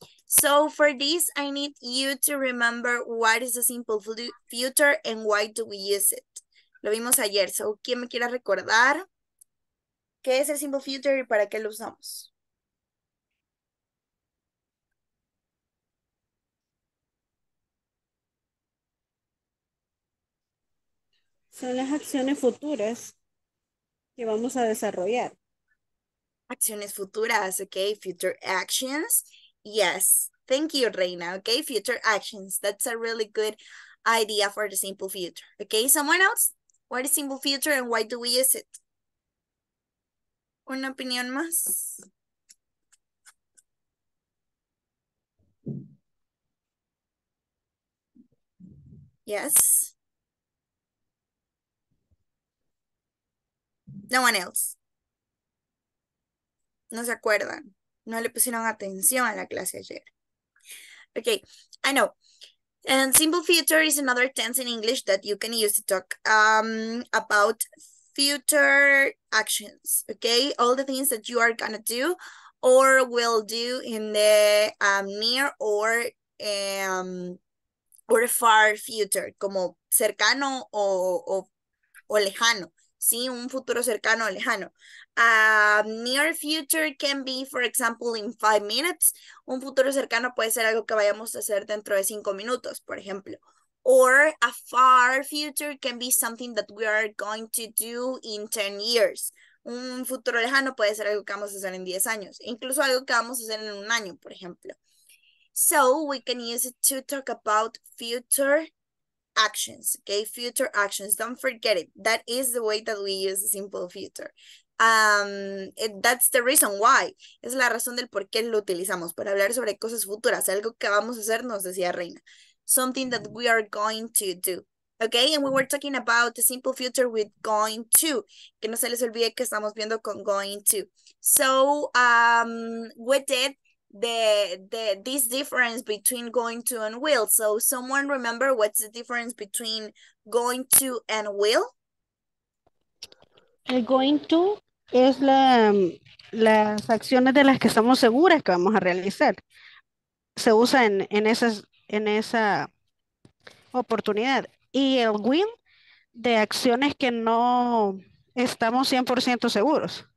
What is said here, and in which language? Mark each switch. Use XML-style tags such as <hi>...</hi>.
<en>So, for this, I need you to remember what is the simple future and why do we use it.</en> <es>Lo vimos ayer. So, ¿quién me quiera recordar qué es el simple future y para qué lo usamos? Son las acciones futuras que vamos a desarrollar. Acciones futuras,</es> <en>okay, future actions. Yes, thank you, Reina. Okay, future actions. That's a really good idea for the simple future. Okay, someone else? What is simple future and why do we use it?</en> <es>¿Una opinión más?</es> <en>Yes. No one else.</en> <es>No se acuerdan. No le pusieron atención a la clase ayer.</es> <en>Okay, I know. And simple future is another tense in English that you can use to talk about future actions. Okay, all the things that you are gonna do or will do in the near or far future,</en> <es>como cercano o lejano. Sí, un futuro cercano o lejano.</es> <en>Near future can be, for example, in 5 minutes.</en> <es>Un futuro cercano puede ser algo que vayamos a hacer dentro de 5 minutos, por ejemplo.</es> <en>Or a far future can be something that we are going to do in 10 years.</en> <es>Un futuro lejano puede ser algo que vamos a hacer en 10 años. Incluso algo que vamos a hacer en un año, por ejemplo.</es> <en>So, we can use it to talk about future actions, okay, future actions. Don't forget it. That is the way that we use the simple future. That's the reason why.</en> <es>Es la razón del por qué lo utilizamos, para hablar sobre cosas futuras, algo que vamos a hacer, nos decía Reina.</es> <en>Something that we are going to do. Okay, and we were talking about the simple future with going to.</en> <es>Que no se les olvide que estamos viendo con going to.</es> <en>So, with it, this difference between going to and will. So someone remember what's the difference between going to and will?</en> <es>El going to es las acciones de las que estamos seguras que vamos a realizar. Se usa en esa oportunidad. Y el will de acciones que no estamos 100% seguros.</es>